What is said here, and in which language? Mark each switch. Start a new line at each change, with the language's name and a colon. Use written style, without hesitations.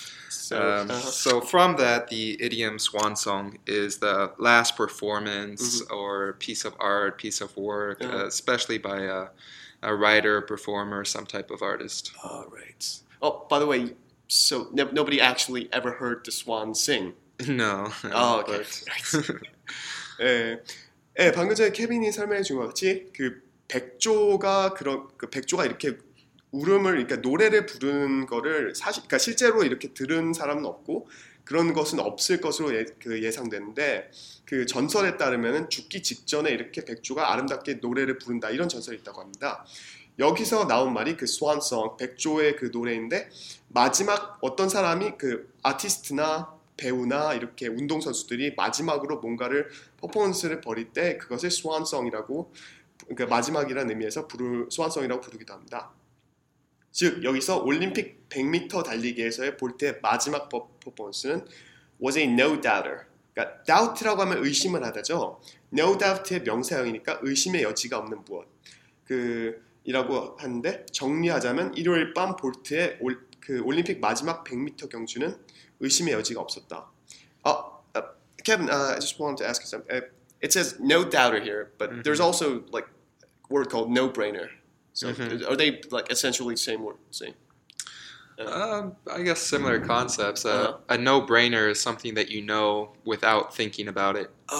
English: So from that, the idiom swan song is the last performance or piece of art, piece of work, especially by a writer, performer, some type of artist. All right. Oh, by the way, so nobody actually ever heard the swan sing? No. Oh, okay. But...
Korean: 에, 방금 전에 케빈이 설명해 준 것 같이 그 백조가 그런 그 백조가 이렇게 울음을 그러니까 노래를 부르는 거를 사실 그러니까 실제로 이렇게 들은 사람은 없고 그런 것은 없을 것으로 그 예상되는데 그 전설에 따르면은 죽기 직전에 이렇게 백조가 아름답게 노래를 부른다 이런 전설이 있다고 합니다. 여기서 나온 말이 그 스완송 백조의 그 노래인데 마지막 어떤 사람이 그 아티스트나 배우나 이렇게 운동선수들이 마지막으로 뭔가를 퍼포먼스를 벌일 때 그것을 스완송이라고 그러니까 마지막이라는 의미에서 부를 스완송이라고 부르기도 합니다. 즉 여기서 올림픽 100m 달리기에서의 볼트의 마지막 퍼포먼스는
English: was a no doubter.
Korean: 그러니까 doubt라고 하면 의심을 하다죠. no doubt의 명사형이니까 의심의 여지가 없는 무엇. 그 이라고 하는데 정리하자면 일요일 밤 볼트의 올, 그 올림픽 마지막 100m 경주는 의심의 여지가 없었다.
English: Kevin, I just wanted to ask you something. It says no doubter here, but there's also like a word called no brainer. So are they like essentially same word? Same. I guess similar concepts. A no-brainer is something that you know without thinking about it.